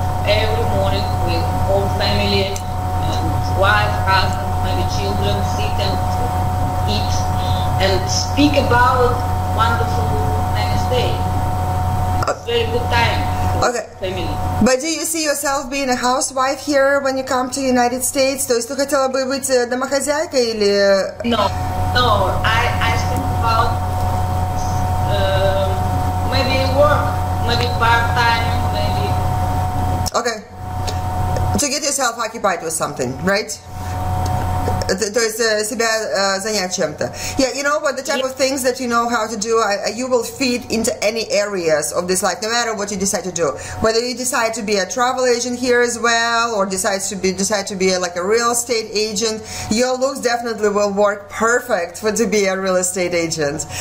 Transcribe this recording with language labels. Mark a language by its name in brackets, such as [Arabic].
[English] Every morning with whole family and wife, husband, maybe children sit and eat and speak about wonderful next day. Very good time for family. But do you see yourself being a housewife here when you come to United States? [Russian] То есть ты хотела бы быть домохозяйкой или... [English] No, I think about maybe work, maybe part-time, maybe... Okay. To get yourself occupied with something, right? [Russian] То есть себя занять чем-то. [English] Yeah, you know what, the type of things that you know how to do, you will fit into any areas of this life, no matter what you decide to do. Whether you decide to be a travel agent here as well, or decide to be like a real estate agent, your looks definitely will work perfect for to be a real estate agent.